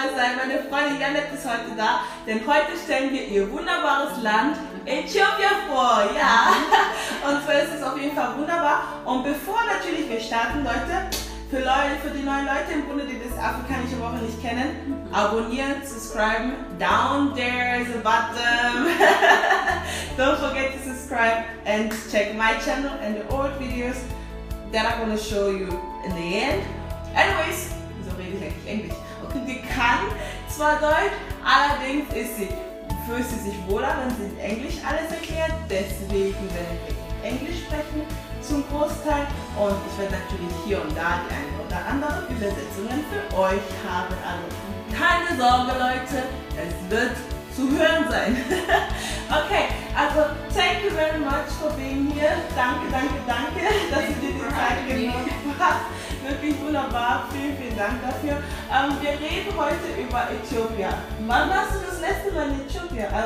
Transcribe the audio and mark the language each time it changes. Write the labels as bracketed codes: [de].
[de] Meine Freundin Janet ist heute da, denn heute stellen wir ihr wunderbares Land Äthiopien vor. Ja, und zwar ist es auf jeden Fall wunderbar. Und bevor natürlich wir starten, Leute, für die neuen Leute im Bunde, die das afrikanische Woche nicht kennen, abonnieren, subscriben. [en] Down there is a button. Don't forget to subscribe and check my channel and the old videos that I'm gonna show you in the end. [de] Anyways, so rede ich eigentlich Englisch. Die kann zwar Deutsch, allerdings fühlt sie sich wohler, wenn sie in Englisch alles erklärt. Deswegen werde ich Englisch sprechen zum Großteil. Und ich werde natürlich hier und da die eine oder andere Übersetzungen für euch haben. Also keine Sorge, Leute, es wird zu hören sein. [en] Okay, also thank you very much for being here. [de] Danke, danke, danke, dass du dir die Zeit genommen hast. Wirklich wunderbar, vielen, vielen Dank dafür. Wir reden heute über Äthiopien. Wann warst du das letzte Mal in Äthiopien?